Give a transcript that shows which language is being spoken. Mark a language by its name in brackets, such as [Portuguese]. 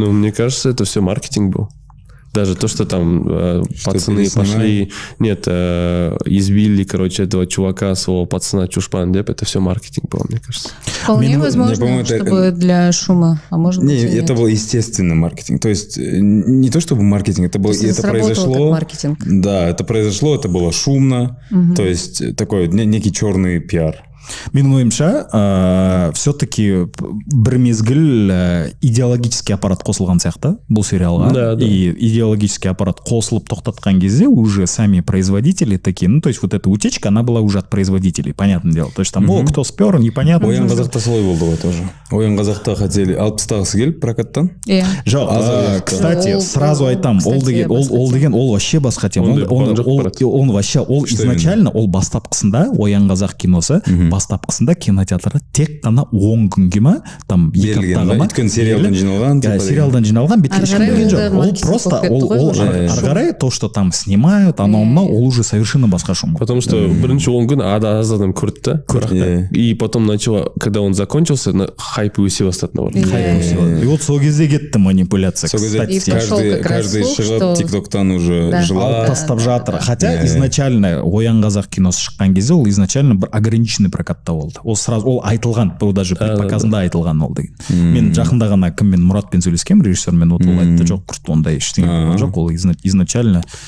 [Russian] Ну, мне кажется, это все маркетинг был. Даже то, что там пацаны пошли, нет, избили, короче, этого чувака, своего пацана Чушпан Деп, это все маркетинг был, мне кажется. Вполне возможно, чтобы для шума, а может быть, нет. Это был естественный маркетинг, то есть не то, чтобы маркетинг, это было, это произошло. Как маркетинг. Да, это произошло, это было шумно, то есть такой некий черный пиар. [Kazakh] Менің ойымша, все-таки бір мезгіл идеологический аппарат қосылған сияқты бұл сериалға. [Russian] Да, да. И идеологический аппарат [Kazakh] қосылып тоқтатқан кезде [Russian] уже сами производители такие, ну, то есть вот эта утечка, она была уже от производителей, понятное дело. То есть там, о, кто спер, непонятно. [Kazakh] Ойын қазақта солай болды ғой тоже. Ойын қазақта хотели 60-тағысы келіп прокаттан. Иә. Жоқ, [Russian] кстати, сразу [Kazakh] айтам, ол вообще басқа тема. Он вообще, ол изначально, ол бастапқысында, Ойын қазақ киносы, бастапқысында кинотеатрда тек қана 10 күнге ма, там екі аптаға ма. Өйткені сериалдан жиналған. Сериалдан жиналған, бетке ешкен жоқ. Ол просто, ол арғарай, [Russian] то, что там снимают, [Kazakh] анауымна, ол уже совершенно басқа шум. [Russian] Потому что [Kazakh] бірінші 10 күн аз адам көрді. [Russian] И потом начало, когда он закончился, [Kazakh] хайп өсе бастады. Хайп өсе бастады. [Russian] И вот [Kazakh] сол кезде кетті манипуляция. Сол кезде каждый шығып тиктоктан уже жылап. Алып тастап жатыр. [Russian] Хотя изначально [Kazakh] Оян қазақ киносы шыққан кезде, ол изначально ограниченный прокатта болды. Ол сразу, ол айтылған, бұл даже предпоказында айтылған ол деген. Мен жақында ғана кіммен, Мұратпен сөйлескем, режиссермен, ол айтты жоқ, құрт, ондай ештеңе болған жоқ, ол изначально.